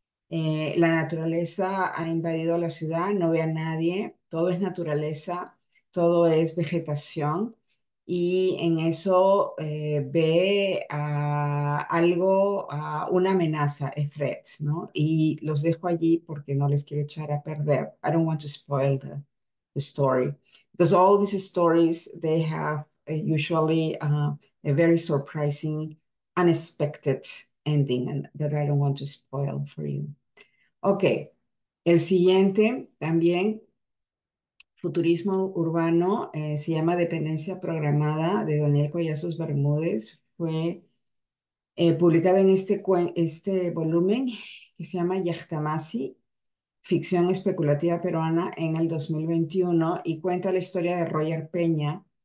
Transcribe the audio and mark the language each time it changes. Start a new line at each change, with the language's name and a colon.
Spanish: La naturaleza ha invadido la ciudad, no ve a nadie, todo es naturaleza, todo es vegetación. Y en eso ve a una amenaza, a threat, ¿no? Y los dejo allí porque no les quiero echar a perder.
English: I don't want to spoil the story. Because all these stories, they have usually a very surprising, unexpected ending and that I don't want to spoil for you.
Spanish: Ok, el siguiente también, Futurismo Urbano, se llama Dependencia Programada de Daniel Collazos Bermúdez. Fue publicado en este volumen que se llama Yactamasi, Ficción Especulativa Peruana, en el 2021 y cuenta la historia de Roger Peña.